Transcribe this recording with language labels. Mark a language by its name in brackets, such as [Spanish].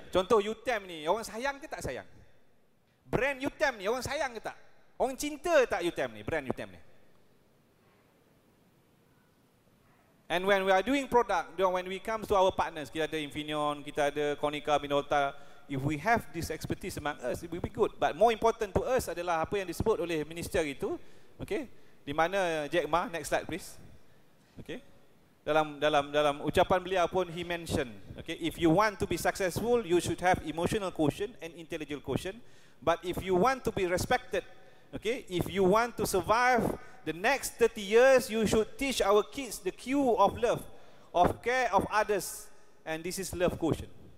[Malay] Contoh UTM ni, orang sayang ke tak sayang? Brand UTM ni, orang sayang ke tak? Orang cinta tak UTM ni, brand UTM ni? [English] And when we are doing product, when we come to our partners, [Malay] kita ada Infineon, kita ada Konica, Minolta, [English] if we have this expertise among us, it will be good. But more important to us [Malay] adalah apa yang disebut oleh minister itu, okay? Di mana [English] Jack Ma, next slide please. Okay? [Malay] Dalam ucapan beliau pun, [English] he mentioned, okay, if you want to be successful, you should have emotional quotient and intellectual quotient. But if you want to be respected, okay, if you want to survive the next 30 years, you should teach our kids the cue of love, of care of others, and this is love quotient.